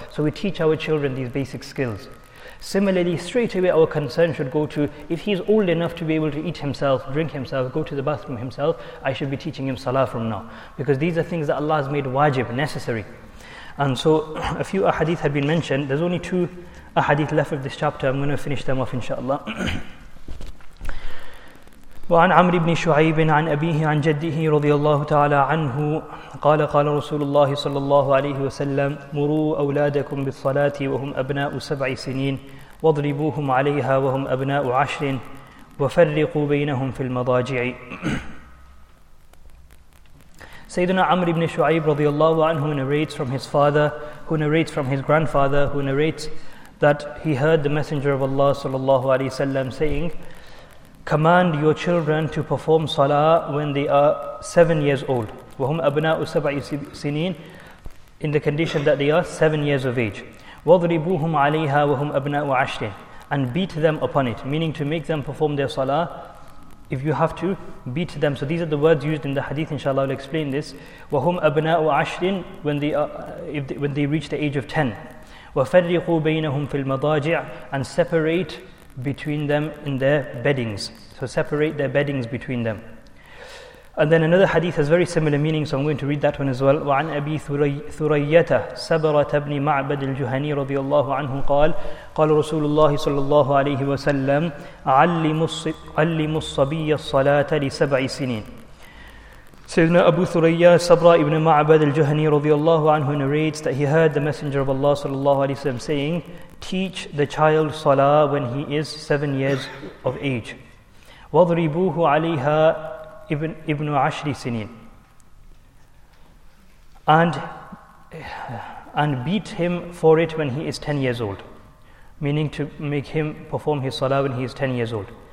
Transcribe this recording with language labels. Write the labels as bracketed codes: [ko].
[en] So we teach our children these basic skills. Similarly, straight away our concern should go to, if he's old enough to be able to eat himself, drink himself, go to the bathroom himself, I should be teaching him salah from now. Because these are things that Allah has made wajib, necessary. And so a few ahadith have been mentioned. There's only two ahadith left of this chapter. I'm going to finish them off, inshallah. [ar] وعن عمرو بن شعيب عن أبيه عن جده رضي الله تعالى عنه قال قال رسول الله صلى الله عليه وسلم مروا أولادكم بالصلاة وهم أبناء سبع سنين واضربوهم عليها وهم أبناء عشر وفرقوا بينهم في المضاجع. [en] سيدنا عمرو بن شعيب [ar] رضي الله عنه [en] narrates from his father, who narrates from his grandfather, who narrates that he heard the Messenger of Allah [ar] صلى الله عليه وسلم [en] saying, command your children to perform salah when they are 7 years old. [ar] وَهُمْ أَبْنَاءُ سَبْعِ سِنِينَ, [en] in the condition that they are 7 years of age. [ar] وَضْرِبُوهُمْ عَلَيْهَا وَهُمْ أَبْنَاءُ عَشْرٍ, [en] and beat them upon it, meaning to make them perform their salah. If you have to, beat them. So these are the words used in the hadith, inshallah, I'll explain this. [ar] وَهُمْ أَبْنَاءُ عَشْرٍ, [en] when they reach the age of 10. [ar] وَفَرِّقُوا بَيْنَهُمْ فِي الْمَضَاجِعِ, [en] and separate between them in their beddings. So separate their beddings between them. And then another hadith has very similar meaning, so I'm going to read that one as well. [ar] وعن أبي ثريا سبرة بن معبد الجهني رضي الله عنه قال قال رسول الله صلى الله عليه وسلم علم الصبي الصلاة لسبع سنين. [en] سيدنا أبو ثريا سبرة بن معبد الجهني [ar] رضي الله عنه [en] narrates that he heard the Messenger of Allah [ar] صلى الله عليه وسلم [en] saying, teach the child salah when he is 7 years of age. [ar] وَضْرِبُوهُ عَلَيْهَا إِبْنُ عَشْرِ سِنِينَ, [en] and beat him for it when he is 10 years old, meaning to make him perform his salah when he is 10 years old.